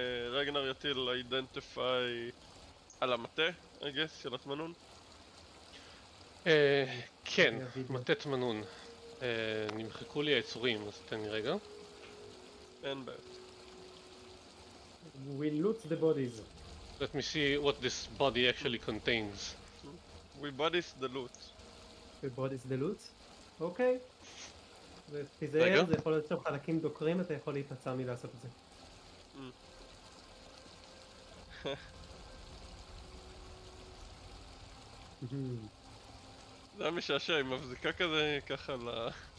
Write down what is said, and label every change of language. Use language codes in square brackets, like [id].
[he] רגנר יטיל אידנטיפיי על המטה, [en] I guess, [he] של התמנון. כן, מטה תמנון. נמחקו לי היצורים, אז תן לי רגע. אין בעיה. [en] We loot the bodies. Let me see what this body actually contains. We bodies the loot. We bodies the loot? אוקיי. [he] ותיזהר, זה יכול להיות שם חלקים דוקרים, אתה יכול להיפצע מלעשות את זה. זה המשעשע, היא מבזיקה כזה ככה ל...